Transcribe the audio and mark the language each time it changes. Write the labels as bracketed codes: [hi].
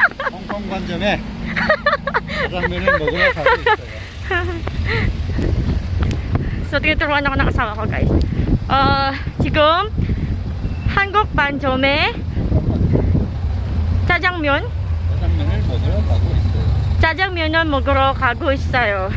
[ko] Hongkong 반점에 짜장면을 먹으러 가고 있어요. [tl] So, tinuturuan ako ng asawa ko, guys. [ko] 지금 한국 반점에 짜장면 짜장면을 먹으러 가고 있어요. 짜장면을 먹으러 가고 있어요.